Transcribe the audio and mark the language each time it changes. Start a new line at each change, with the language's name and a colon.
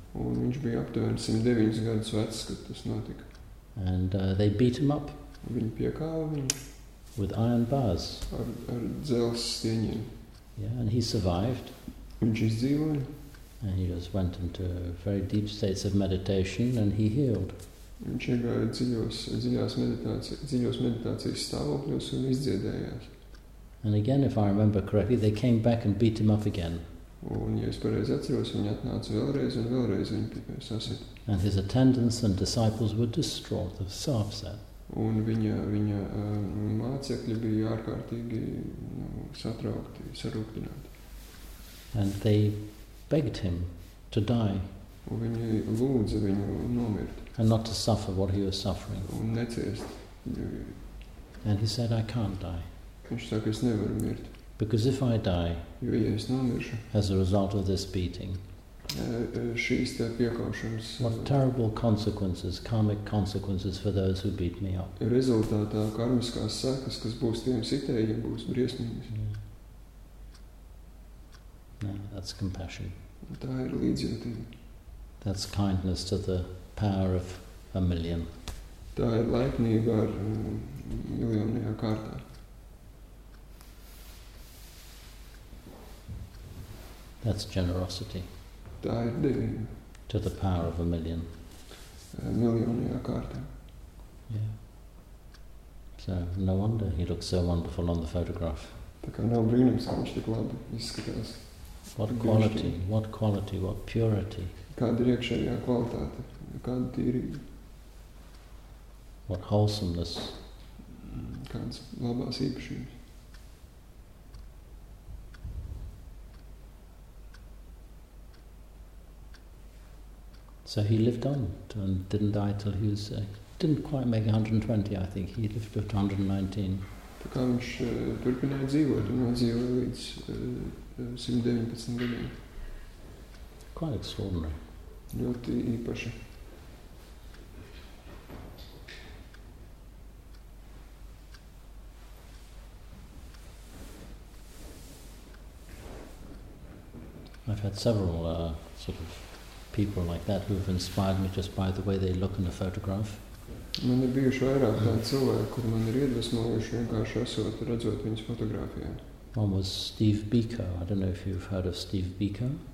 Latvian: Un viņš bija aptuveni 109 gadus vecs, kad tas notika.
English: And they beat him up.
Latvian: Viņi piekāva viņu.
English: With iron bars.
Latvian: Ar dzelzs stieņiem.
English: Yeah, and he survived.
Latvian: Viņš izdzīvoja.
English: And he just went into very deep states of meditation and he healed.
Latvian: Viņš iegāja dziļos meditācijas stāvokļos un izdziedējās.
English: And again, if I remember correctly, they came back and beat him up again.
Latvian: Un, ja es pareizi atceros, viņi atnāca vēlreiz un vēlreiz viņi sasita.
English: And his attendants and disciples were distraught, they were so upset.
Latvian: Un viņa mācekļi bija ārkārtīgi satraukti, sarūktināti.
English: And they begged him to die.
Latvian: Un viņi lūdza viņu nomirt.
English: And not to suffer what he was suffering.
Latvian: Un neciest.
English: And he said, I can't die.
Latvian: Viņš saka, es nevaru mirt.
English: Because if I die,
Latvian: jo, ja es nomiršu,
English: as a result of this beating,
Latvian: šīs te piekaušanas,
English: what terrible consequences, karmic consequences for those who beat me up.
Latvian: Rezultātā karmiskās sekas, kas būs tiem sitējiem, būs briesmīgas.
English: No, that's compassion.
Latvian: Tā ir līdzjūtība.
English: That's kindness to the power of a million.
Latvian: Tā ir laipnība ar miljonajā kārtā.
English: That's generosity.
Latvian: Tā ir divība.
English: To the power of a million.
Latvian: Miljonajā kārtā.
English: Yeah. So, no wonder he looks so wonderful on the photograph.
Latvian: Tā kā nav brīnums, ka viņš tik labi izskatās.
English: What quality, what quality, what purity.
Latvian: Kāda ir iekšējā kvalitāte, kāda tīrība.
English: What wholesomeness.
Latvian: Kādas labās īpašības.
English: So he lived on and didn't die till he was didn't quite make 120, I think. He lived to 119.
Latvian: Kā viņš turpināja dzīvot un dzīvoja līdz 119 gadiem.
English: Quite extraordinary.
Latvian: Ļoti īpaši.
English: I've had several sort of people like that who have inspired me just by the way they look in a photograph.
Latvian: Man ir bijuši vairāk tādi cilvēki, kuri man ir iedvesmojuši vienkārši esot, redzot viņus fotografijā.
English: One was Steve Biko. I don't know if you've heard of Steve Biko.